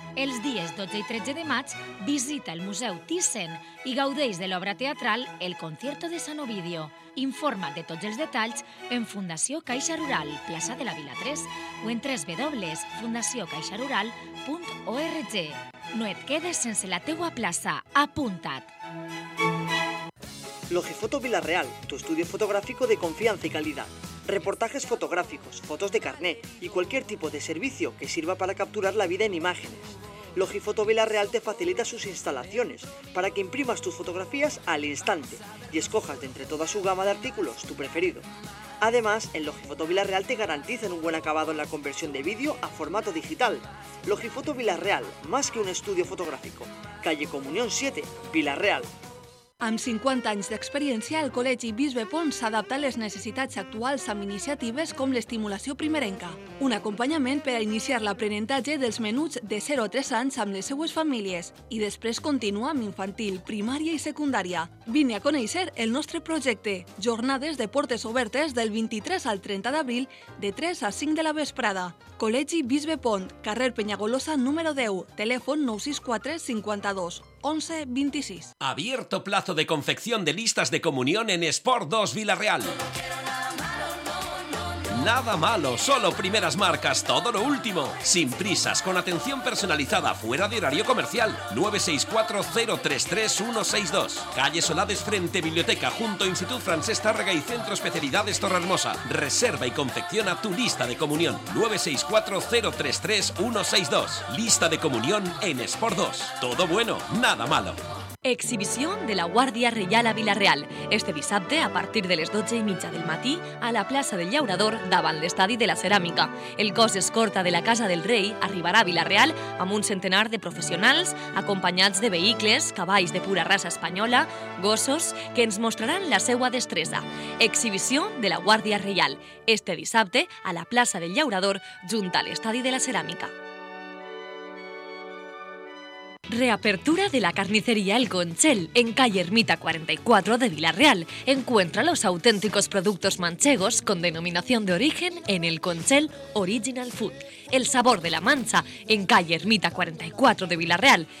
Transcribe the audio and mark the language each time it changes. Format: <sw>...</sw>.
<ca>Els dies 12 i 13 de maig, visita el Museu Thyssen i gaudeix de l'obra teatral El Concierto de San Ovidio. Informa de tots els detalls en Fundació Caixa Rural, plaça de la Vila 3, o en www.fundaciocaixarural.org. No et quedes sense la teua plaça. Apunta't!</ca> <es>Logifoto Villarreal, tu estudio fotográfico de confianza y calidad. Reportajes fotográficos, fotos de carné y cualquier tipo de servicio que sirva para capturar la vida en imágenes. Logifoto Villarreal te facilita sus instalaciones para que imprimas tus fotografías al instante y escojas de entre toda su gama de artículos tu preferido. Además, en Logifoto Villarreal te garantizan un buen acabado en la conversión de vídeo a formato digital. Logifoto Villarreal, más que un estudio fotográfico. Calle Comunión 7, Villarreal.</es> <ca>Amb 50 anys d'experiència, el Col·legi Bisbe Pons s'adapta a les necessitats actuals amb iniciatives com l'estimulació primerenca. Un acompanyament per a iniciar l'aprenentatge dels menuts de 0 a 3 anys amb les seues famílies. I després continua amb infantil, primària i secundària. Vine a conèixer el nostre projecte. Jornades de portes obertes del 23 al 30 d'abril de 3 a 5 de la vesprada. Col·legi Bisbe Pont, carrer Peñagolosa, número 10, telèfon 964-52-11-26.</ca> <es>Abierto plazo de confección de listas de comunión en Sport 2 Villarreal. Nada malo, solo primeras marcas, todo lo último. Sin prisas, con atención personalizada, fuera de horario comercial. 964-033-162. Calle Solades, frente Biblioteca, junto a Institut Francesc Tàrrega y Centro Especialidades Torrehermosa. Reserva y confecciona tu lista de comunión. 964-033-162. Lista de comunión en Sport 2. Todo bueno, nada malo. Exhibición de la Guardia Real a Villarreal.</es> <ca>Este dissabte, a partir de les 12:30 del matí, a la plaça del Llaurador, davant l'Estadi de la Ceràmica. El cos escorta de la Casa del Rei arribarà a Villarreal amb un centenar de professionals, acompanyats de vehicles, cavalls de pura raça espanyola, gossos, que ens mostraran la seua destresa. Exhibició de la Guardia Real. Este dissabte, a la plaça del Llaurador, junt a l'Estadi de la Ceràmica.</ca> <es>Reapertura de la carnicería El Conchel en calle Ermita 44 de Villarreal. Encuentra los auténticos productos manchegos con denominación de origen en El Conchel Original Food. El sabor de la mancha en calle Ermita 44 de Villarreal.</es>